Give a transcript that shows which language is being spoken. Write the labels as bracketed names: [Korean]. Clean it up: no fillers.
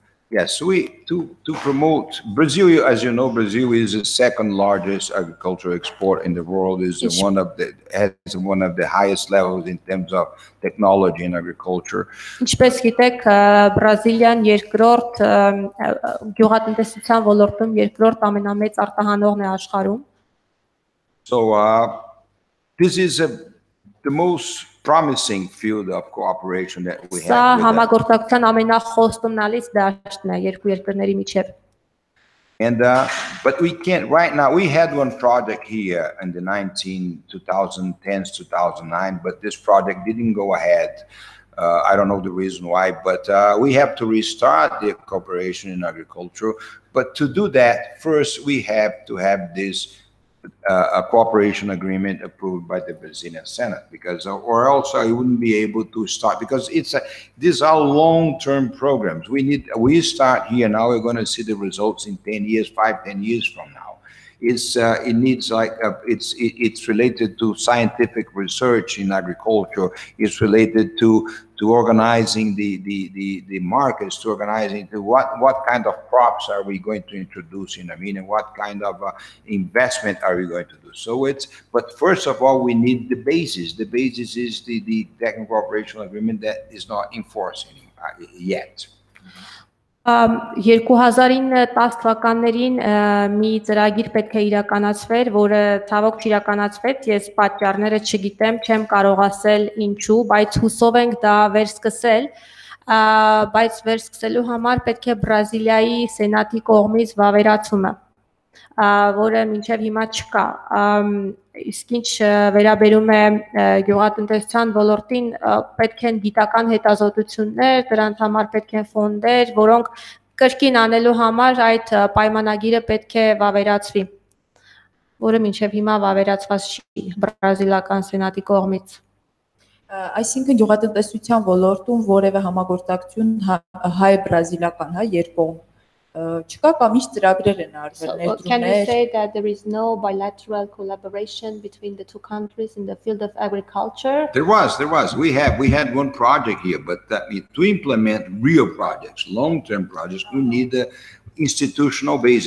[English] Yes, we to promote Brazil. As you know, Brazil is the second largest agricultural export in the world. Is one of the has one of the highest levels in terms of technology in agriculture. [Armenian] Ինչպես գիտեք, Բրազիլիան երկրորդ գյուղատնտեսության ոլորտում երկրորդ ամենամեծ արտահանողն է աշխարհում. [English] So this is the most promising field of cooperation that we have. [Armenian] Սա համագործակցության ամենախոստումնալից դաշտն է երկու երկրների միջև. [English] And but we can't right now. We had one project here in the 2010s 2009, but this project didn't go ahead. I don't know the reason why, but we have to restart the cooperation in agriculture. But to do that, first we have to have this a cooperation agreement approved by the Brazilian Senate, because or else I wouldn't be able to start, because it's a these are long-term programs. We start here now, we're going to see the results in 10 years 5-10 years from now. It's it needs like a, it's related to scientific research in agriculture. It's related to organizing the markets, to organizing to what kind of crops are we going to introduce in Armenia, what kind of investment are we going to do. So it's, but first of all we need the basis. The basis is the technical operational agreement that is not enforced yet. [Armenian] 2009-10 թվականներին մի ծրագիր պետք է իրականացվեր, որը ցավոք չիրականացվեց, ես պատճառները չգիտեմ, չեմ կարող ասել ինչու, բայց հուսով ենք դա վերսկսել, բայց վերսկսելու համար պետք է Բրազիլիայի սենատի կողմից վավերացումը, որը մինչև հիմա չկա։ Իսկ ինչ վերաբերում է գյուղատնտեսության ոլորտին, պետք են գիտական հետազոտություններ, դրանց համար պետք են ֆոնդեր, որոնք կրկին անելու համար այդ պայմանագիրը պետք է վավերացվի, որը մինչև հիմա վավերացված չի բրազիլական սենատի կողմից։ Այսինքն գյուղատնտեսության ոլորտում որևէ համագործակցություն հայ-բրազիլական, հա, երկու [English] Can you say that there is no bilateral collaboration between the two countries in the field of agriculture? There was. We had one project here, but to implement real projects, long-term projects, we need the institutional base.